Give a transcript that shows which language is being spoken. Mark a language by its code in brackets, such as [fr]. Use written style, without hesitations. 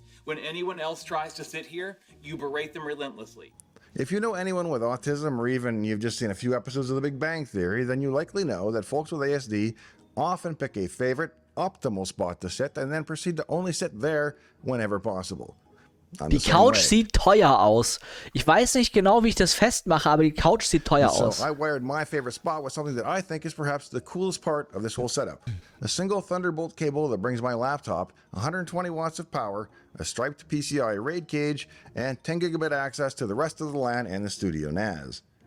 [en] When anyone else tries to sit here, you berate them relentlessly. If you know anyone with autism, or even you've just seen a few episodes of The Big Bang Theory, then you likely know that folks with ASD often pick a favorite, optimal spot to sit, and then proceed to only sit there whenever possible. [de] Die Couch sieht teuer aus. Ich weiß nicht genau, wie ich das festmache, aber die Couch sieht teuer aus. [en] So I wired my favorite spot with something that I think is perhaps the coolest part of this whole setup. A single Thunderbolt cable that brings my laptop, 120 watts of power, a striped PCI RAID cage, and 10 gigabit access to the rest of the LAN and the studio NAS.